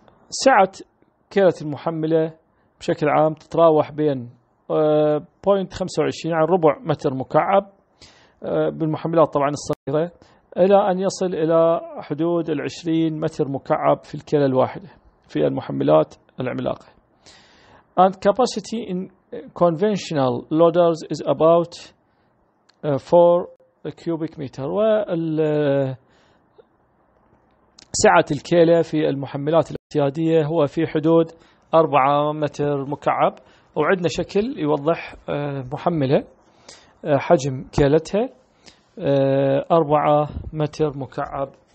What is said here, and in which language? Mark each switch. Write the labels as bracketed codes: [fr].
[ar] سعة كيلة المحملة بشكل عام تتراوح بين 0.25 يعني ربع متر مكعب بالمحملات طبعا الصغيرة إلى أن يصل إلى حدود 20 متر مكعب في الكيلة الواحدة في المحملات العملاقة. [en] And capacity in conventional loaders is about 4 cubic meter. [ar] وسعة الكيلة في المحملات الاعتيادية هو في حدود 4 متر مكعب. وعندنا شكل يوضح محملة حجم كيلتها 4 متر مكعب.